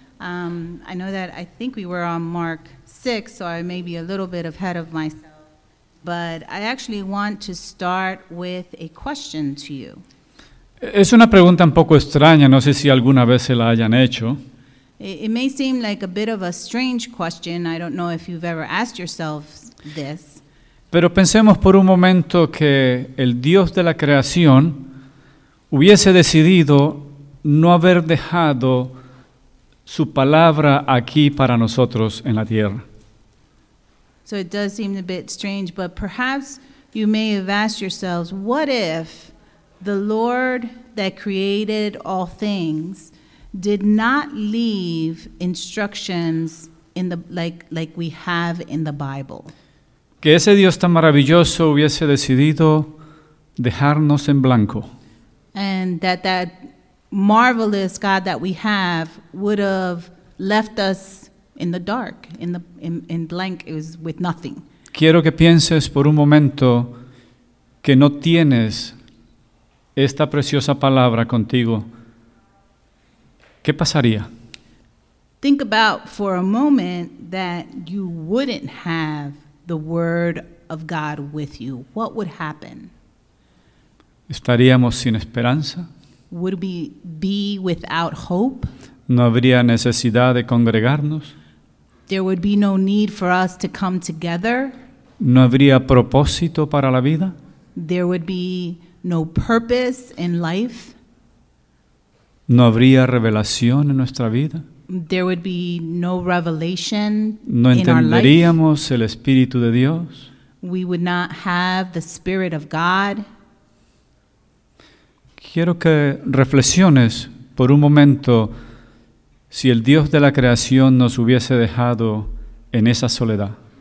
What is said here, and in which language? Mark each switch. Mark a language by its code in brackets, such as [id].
[en] I know that I think we were on Mark 6, so I may be a little bit ahead of myself. But I actually want to start with a question to you. [es] Es una pregunta un poco extraña, no sé si alguna vez se la hayan hecho. [en] It may seem like a bit of a strange question. I don't know if you've ever asked yourself this. [es] Pero pensemos por un momento que el Dios de la creación hubiese decidido no haber dejado su palabra aquí para nosotros en la tierra. [en] So it does seem a bit strange, but perhaps you may have asked yourselves, what if the Lord that created all things did not leave instructions in the like we have in the Bible? [es] Que ese Dios tan maravilloso hubiese decidido dejarnos en blanco. [en] And that marvelous God that we have would have left us in the dark, in blank, it was with nothing. [es] Quiero que pienses por un momento que no tienes esta preciosa palabra contigo. ¿Qué pasaría? [en] Think about for a moment that you wouldn't have the word of God with you. What would happen? [es] Estaríamos sin esperanza. [en] Would we be without hope? [es] No habría necesidad de congregarnos. [en] There would be no need for us to come together. [es] No habría propósito para la vida. [en] There would be no purpose in life. [es] No habría revelación en nuestra vida. [en] There would be no revelation in our life. [es] No entenderíamos el Espíritu de Dios. [en] We would not have the Spirit of God. [es] Quiero que reflexiones por un momento si el Dios de la creación nos hubiese dejado en esa soledad.